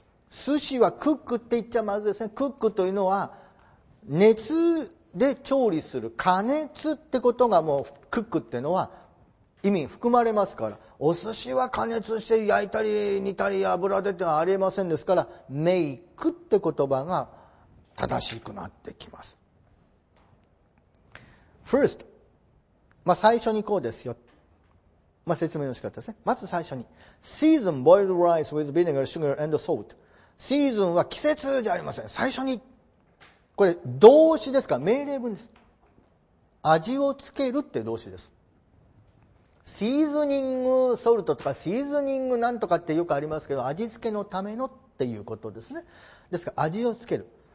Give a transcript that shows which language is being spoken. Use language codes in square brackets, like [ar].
[ja] 寿司はクックって言っちゃまずですね。クックというのは熱で調理する、加熱ってことがもうクックっていうのは意味含まれますから、お寿司は加熱して焼いたり煮たり油でってのはありえませんですから、メイクって言葉が正しくなってきます。 First、 まあ最初にこうですよ、まあ説明の仕方ですね。まず最初に [en] Season boiled rice with vinegar, sugar and salt。 [ja] Season は季節じゃありません。最初に、これ動詞ですか命令文です。味をつけるって動詞です。シーズニングソルトとかシーズニングなんとかってよくありますけど、味付けのためのっていうことですね。ですから味をつける。